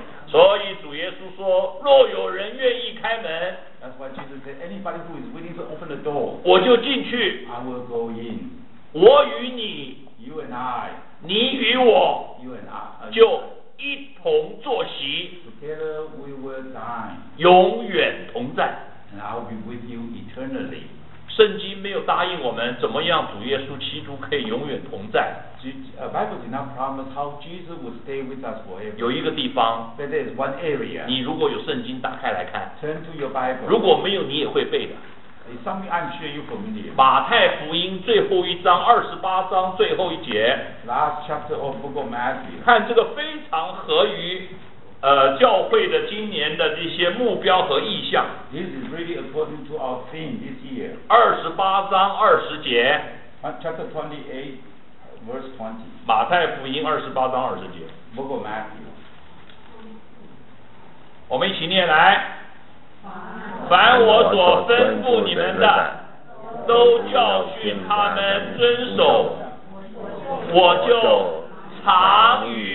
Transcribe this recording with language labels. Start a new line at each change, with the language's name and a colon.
Chinese: 所以主耶稣说，若有人愿意开门
English: ，That's why Jesus said, anybody who is willing to open the door,
Chinese: 我就进去。
English: I will go in.
Chinese: 我与你
English: ，You and I.
Chinese: 你与我
English: ，You and I.
Chinese: 就一同坐席
English: ，Together we will dine.
Chinese: 永远同在
English: ，And I will be with you eternally.
Chinese: 圣经没有答应我们怎么样主耶稣基督可以永远同在。
English: Bible did not promise how Jesus would stay with us forever.
Chinese: 有一个地方。
English: But there is one area.
Chinese: 你如果有圣经打开来看。
English: Turn to your Bible.
Chinese: 如果没有你也会背的。
English: It's something I'm sure you're familiar.
Chinese: 马太福音最后一章二十八章最后一节。
English: Last chapter of Book of Matthew.
Chinese: 看这个非常合于。教会的今年的这些目标和意向。
English: This is really according to our theme this year.
Chinese: 二十八章二十节。
English: Chapter 28, verse 20.
Chinese: 马太福音二十八章二十节。
English: Book of Matthew.
Chinese: 我们一起念来。凡我所吩咐你们的，都教训他们遵守，我就常与。